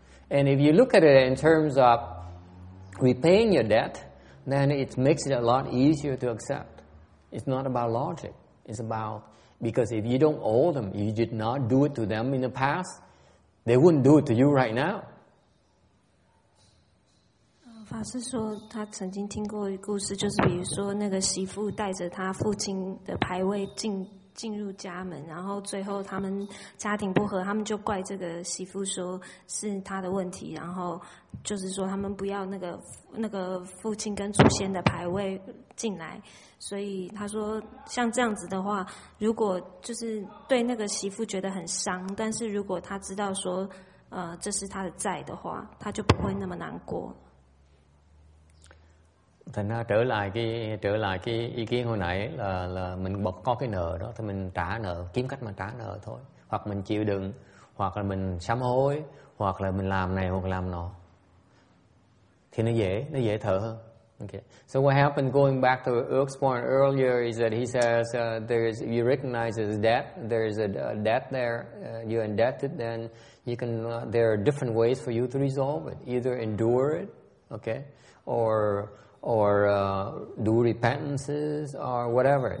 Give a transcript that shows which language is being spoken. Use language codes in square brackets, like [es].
[en] And if you look at it in terms of repaying your debt, then it makes it a lot easier to accept. It's not about logic. It's about, because if you don't owe them, you did not do it to them in the past, they wouldn't do it to you right now. [zh] 法师说他曾经听过一个故事, 就是比如说那个媳妇带着他父亲的牌位进入家门, 然后最后他们家庭不和, 他们就怪这个媳妇说是他的问题, 然后就是说他们不要那个父亲跟祖先的牌位进来, 所以他说像这样子的话, 如果就是对那个媳妇觉得很伤, 但是如果他知道说, 这是他的债的话, 他就不会那么难过。 [vi] Thành ra trở lại cái ý kiến hồi nãy là mình bật có cái nợ đó thì mình trả nợ, kiếm cách mà trả nợ thôi, hoặc mình chịu đựng, hoặc là mình sám hối, hoặc là mình làm này hoặc làm nọ thì nó dễ thở hơn. [en] Okay, so what happened going back to Urk's point earlier is that he says you recognize his debt, there is a debt there, you're indebted, then you can there are different ways for you to resolve it, either endure it, okay, or do repentances or whatever.